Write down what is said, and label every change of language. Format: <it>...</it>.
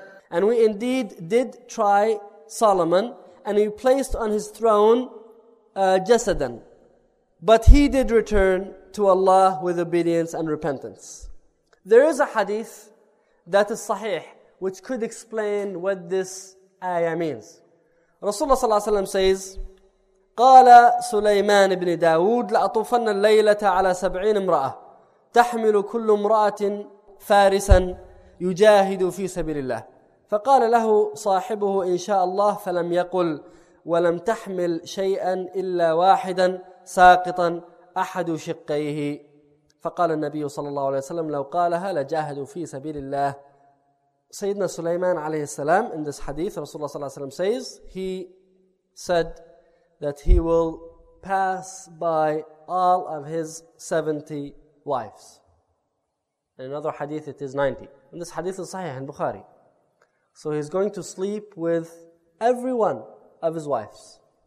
<en>And we indeed did try Solomon, and he placed on his throne jasadan. But he did return to Allah with obedience and repentance. There is a hadith that is sahih, which could explain what this ayah means.</en> <ar>Rasulullah sallallahu alayhi wa sallam says, قَالَ سُلَيْمَانِ بْنِ دَاوُودِ لَأَطُوفَنَّ اللَّيْلَةَ عَلَىٰ سَبْعِينَ امْرَأَةِ تَحْمِلُ كُلُّ امْرَأَةٍ فَارِسًا يُجَاهِدُ فِي سَبِيلِ اللَّهِ فَقَالَ لَهُ صَاحِبُهُ إِنْ شَاءَ اللَّهِ فَلَمْ يَقُلْ وَلَمْ تَحْمِلْ شَيْئًا إِلَّا وَاحِدًا سَاقِطًا أَحَدُ شِقَّيْهِ فَقَالَ النَّبِيُّ صَلَى اللَّهُ عَلَيْهِ وَسَلَّمَ لَوْ قَالَهَا لَجَاهَدُوا فِي سَبِيلِ اللَّهِ.</ar> <en>Sayyidina Sulaiman alayhi salam, in this hadith, Rasulullah sallallahu alayhi wa sallam says, he said that he will pass by all of his 70 wives. In another hadith, it is 90. And this hadith is sahih in Bukhari. So he's going to sleep with every one of his wives.</en>